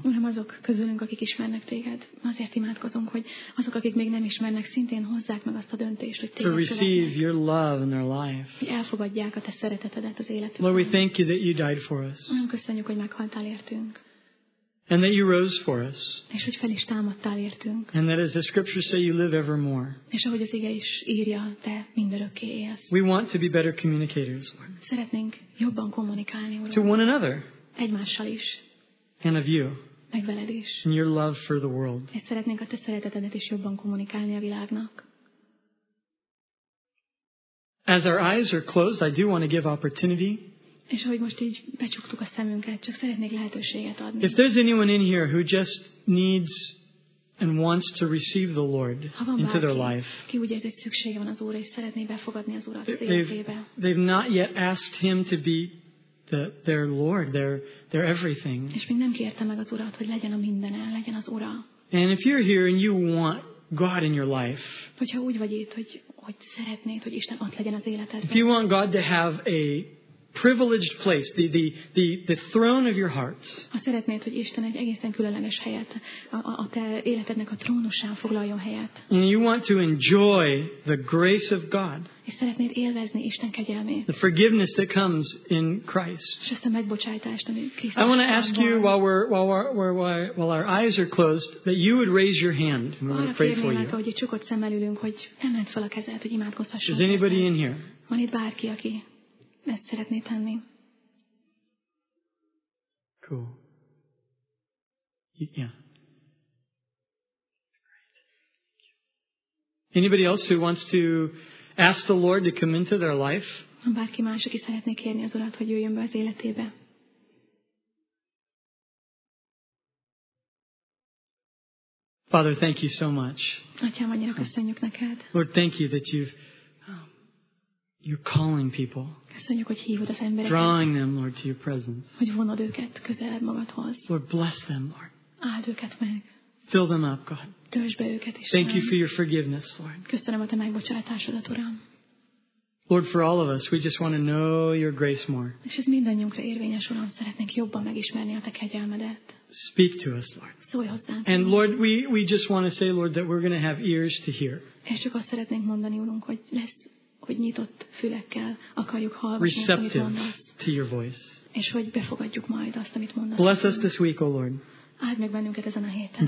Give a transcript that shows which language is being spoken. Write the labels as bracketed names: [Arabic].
[Hungarian] Uram, azok közülünk, akik ismernek téged, azért imádkozunk, hogy azok, akik még nem ismernek, szintén hozzák meg azt a döntést, hogy téged követnek. [English] To receive your love in their life. [Hungarian] Hogy elfogadják a te szeretetedet az életükben. [English] Lord, we thank you that you died for us. [Hungarian] Uram, köszönjük, hogy meghaltál értünk. [English] And that you rose for us. [Hungarian] És hogy fel is támadtál értünk. [English] And that as the scriptures say, you live evermore. [Hungarian] És ahogy az ige is írja, te mindörökké élsz. [English] We want to be better communicators. [Hungarian] Szeretnénk jobban kommunikálni, Uram. [English] To one another. [Hungarian] Egymással is. [English] And of you. [Hungarian] Meg veled is. [English] And your love for the world. [Hungarian] És szeretnénk a te szeretetedet is jobban kommunikálni a világnak. [English] As our eyes are closed, I do want to give opportunity. [Hungarian] És ahogy most így becsuktuk a szemünket, csak szeretnék lehetőséget adni. [English] If there's anyone in here who just needs and wants to receive the Lord into their life. [Hungarian] Ki úgy érzi, hogy szüksége van az Úrra, és szeretné befogadni az Úrat az életébe. [English] They've not yet asked him to be their Lord, their everything. [Hungarian] És még nem kérte meg az Urat, hogy legyen a mindene, legyen az Ura. [English] And if you're here and you want God in your life. [Hungarian] Hogyha úgy vagy itt, hogy szeretnéd, hogy Isten ott legyen az életedben. [English] If you want God to have a privileged place, the throne of your hearts. [Hungarian] Ha szeretnéd, hogy Isten egy egészen különleges helyet a te életednek a trónusán foglaljon helyet. [English] And you want to enjoy the grace of God. [Hungarian] És szeretnéd élvezni Isten kegyelmét. [English] The forgiveness that comes in Christ. [Hungarian] És ezt a megbocsájtást, ami Krisztus. [English] I want to ask you while our eyes are closed that you would raise your hand and we would pray for you. [Hungarian] Hogy csukott szemmel ülünk, hogy emeld fel a kezed, hogy imádkozhassunk. [English] Is anybody in here? [Hungarian] Van itt bárki, aki ezt szeretné tenni. [English] Cool. Yeah. Anybody else who wants to ask the Lord to come into their life? [Hungarian] Bárki más, aki szeretné kérni az Urat, hogy jöjjön be az életébe. [English] Father, thank you so much. [Hungarian] Atyám, annyira köszönjük neked. [English] Lord, thank you that you're calling people. [Hungarian] Köszönjük, hogy hívod az embereket. [English] Drawing them, Lord, to your presence. [Hungarian] Hogy vonod őket közelebb magadhoz. [English] Lord, bless them, Lord. [Hungarian] Áld őket meg. [English] Fill them up, God. [Hungarian] Töltsd be őket is. [English] Thank you for your forgiveness, Lord. [Hungarian] Köszönöm a te megbocsátásodat, Uram. [English] Lord, for all of us, we just want to know your grace more. [Hungarian] És ez mindannyiunkra érvényes, Uram, szeretnénk jobban megismerni a te kegyelmedet. [English] Speak to us, Lord. [Hungarian] Szólj hozzánk. [English] And Lord, we just want to say, Lord, that we're going to have ears to hear. [Hungarian] És csak azt szeretnénk mondani, Urunk, hogy lesz, hogy nyitott fülekkel akarjuk hallgatni, amit mondasz. [English] To your voice. [Hungarian] És hogy befogadjuk majd azt, amit mondasz. [English] Bless us this week, O Lord. [Hungarian] Áld meg bennünket ezen a héten.